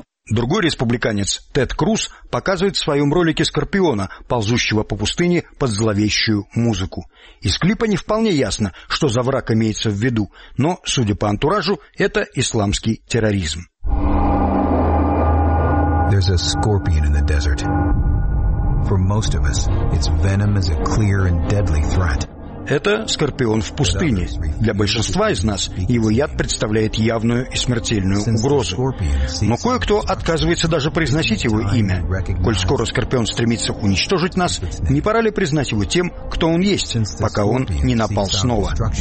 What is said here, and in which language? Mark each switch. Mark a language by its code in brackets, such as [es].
[ru] Другой республиканец, Тед Круз, показывает в своем ролике скорпиона, ползущего по пустыне под зловещую музыку. Из клипа не вполне ясно, что за враг имеется в виду, но, судя по антуражу, это исламский терроризм. [en] There's a scorpion in the desert. For most of us, its venom is a clear and deadly threat. [ru] Это скорпион в пустыне. Для большинства из нас его яд представляет явную и смертельную угрозу. Но кое-кто отказывается даже произносить его имя. Коль скоро скорпион стремится уничтожить нас, не пора ли признать его тем, кто он есть, пока он не напал снова?